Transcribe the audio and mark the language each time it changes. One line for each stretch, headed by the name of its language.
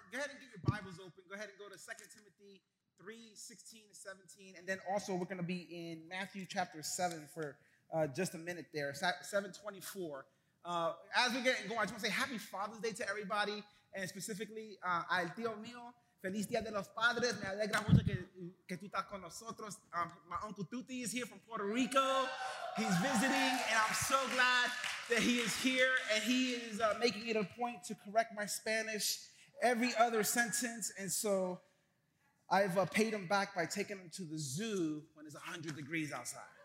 English: Go ahead and get your Bibles open. Go ahead and go to 2 Timothy 3:16 and 17. And then also we're going to be in Matthew chapter 7 for just a minute there, 7:24. As we get going, I just want to say happy Father's Day to everybody. And specifically,
Spanish: al tío mío, feliz día de los padres. Me alegra mucho que tú estás con nosotros.
English: My uncle Tuti is here from Puerto Rico. He's visiting, and I'm so glad that he is here, and he is making it a point to correct my Spanish every other sentence. And so I've paid him back by taking him to the zoo when it's 100 degrees outside.